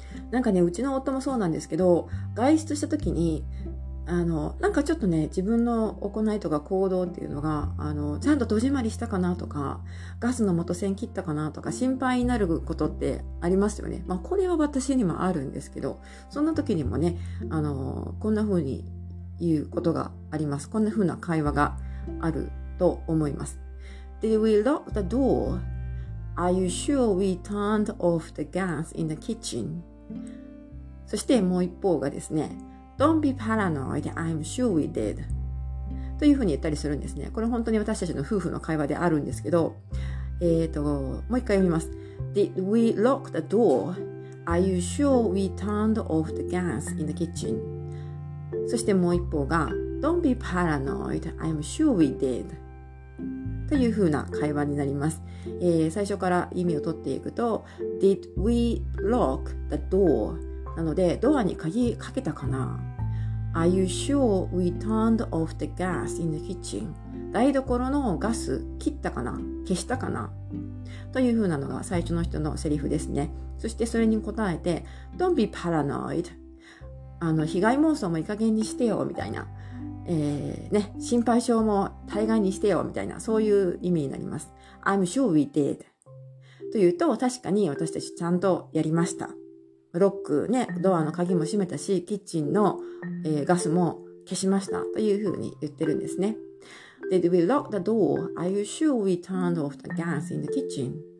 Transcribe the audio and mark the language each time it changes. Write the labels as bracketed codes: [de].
[ja] なんかね、うちの夫もそうなんですけど、外出した時になんかちょっとね、自分の行いとか行動っていうのがちゃんと戸締まりしたかなとか、ガスの元栓切ったかなとか、心配になることってありますよね。まあ、これは私にもあるんですけど、そんな時にもね、こんな風に言うことがあります。こんな風な会話があると思います。 [en] Did we lock the door? Are you sure we turned off the gas in the kitchen? [ja] そしてもう一方がですね、 [en] Don't be paranoid, I'm sure we did [ja] というふうに言ったりするんですね。これ本当に私たちの夫婦の会話であるんですけど、もう一回読みます。 [en] Did we lock the door? Are you sure we turned off the gas in the kitchen? [ja] そしてもう一方が、 [en] Don't be paranoid, I'm sure we did [ja] というふうな会話になります。最初から意味を取っていくと、 [en] Did we lock the door? [ja] なので、ドアに鍵かけたかな。 [en] Are you sure we turned off the gas in the kitchen? [ja] 台所のガス切ったかな、消したかな、というふうなのが最初の人のセリフですね。そしてそれに答えて、 [en] Don't be paranoid、 [ja] 被害妄想もいい加減にしてよみたいな、ね、心配性も大概にしてよみたいな、そういう意味になります。 [en] I'm sure we did [ja] というと、確かに私たちちゃんとやりました、ロックね、ドアの鍵も閉めたし、キッチンの、ガスも消しましたというふうに言ってるんですね。 [en] Did we lock the door? Are you sure we turned off the gas in the kitchen?